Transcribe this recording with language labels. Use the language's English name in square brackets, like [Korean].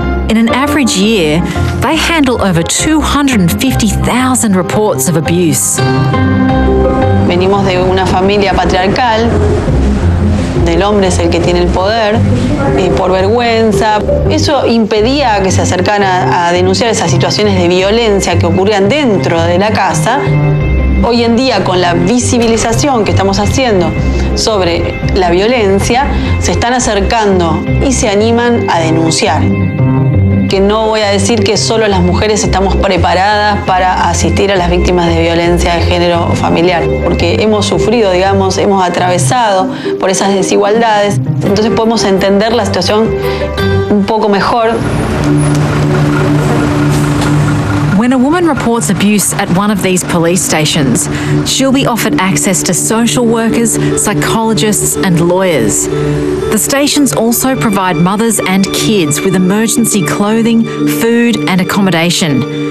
[English] In an average year, they handle over 250,000 reports of abuse. [Spanish] Venimos de una familia patriarcal. El hombre es el que tiene el poder, por vergüenza. Eso impedía que se acercaran a denunciar esas situaciones de violencia que ocurrían dentro de la casa. Hoy en día, con la visibilización que estamos haciendo sobre la violencia, se están acercando y se animan a denunciar. Que no voy a decir que solo las mujeres estamos preparadas para asistir a las víctimas de violencia de género familiar, porque hemos sufrido, digamos, hemos atravesado por esas desigualdades. Entonces podemos entender la situación un poco mejor. [English] When a woman reports abuse at one of these police stations, she'll be offered access to social workers, psychologists and lawyers. The stations also provide mothers and kids with emergency clothing, food and accommodation.